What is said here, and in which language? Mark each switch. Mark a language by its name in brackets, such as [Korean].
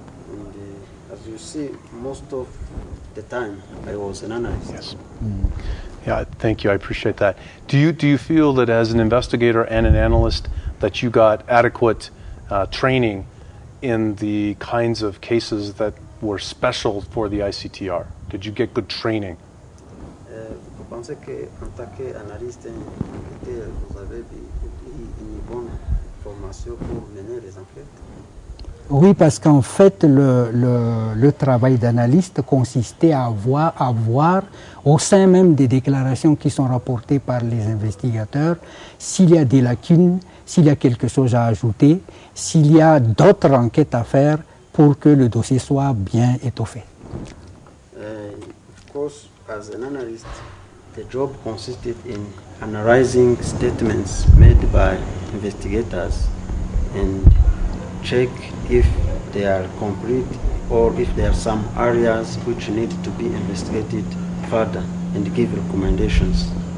[English] And as you see, most of the time I was an analyst. Yes. Mm. Yeah, thank you. I appreciate that. Do you feel that as an investigator and an analyst that you got adequate training in the kinds of cases that were special for the ICTR? Did you get good training? [French] Je pense que en tant qu'analyste, vous avez une bonne formation pour mener les enquêtes. Oui, parce qu'en fait, le travail d'analyste consistait à voir au sein même des déclarations qui sont rapportées par les investigateurs s'il y a des lacunes, s'il y a quelque chose à ajouter, s'il y a d'autres enquêtes à faire pour que le dossier soit bien étoffé. [English] Of course, as an analyst, the job consisted in analyzing statements made by investigators and check if they are complete or if there are some areas which need to be investigated further and give recommendations.